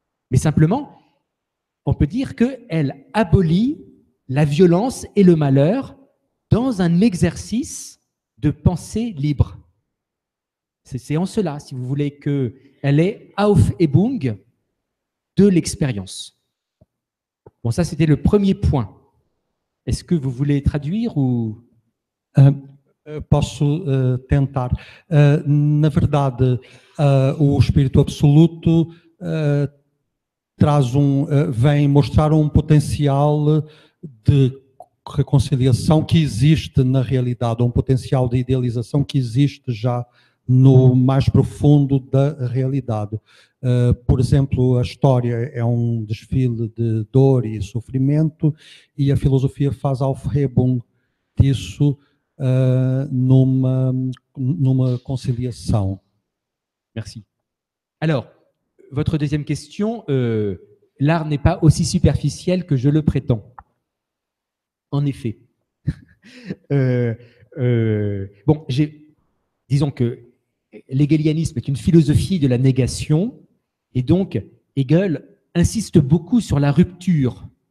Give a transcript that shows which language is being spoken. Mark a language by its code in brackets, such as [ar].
[fr] Mais simplement, on peut dire qu'elle abolit la violence et le malheur dans un exercice de pensée libre. C'est en cela, si vous voulez, que elle est auf et bung de l'expérience. Bon, ça, c'était le premier point. Est-ce que vous voulez traduire ou... [pt] Posso tentar. Na verdade, o Espírito Absoluto traz vem mostrar um potencial de reconciliação que existe na realidade, um potencial de idealização que existe já no mais profundo da realidade. Por exemplo, a história é um desfile de dor e sofrimento e a filosofia faz aufhebung disso numa conciliação. [fr] Merci. Alors, votre deuxième question, l'art n'est pas aussi superficiel que je le prétends. En effet. bon, j'ai, disons que l'hégélianisme est une philosophie de la négation, et donc Hegel insiste beaucoup sur la rupture.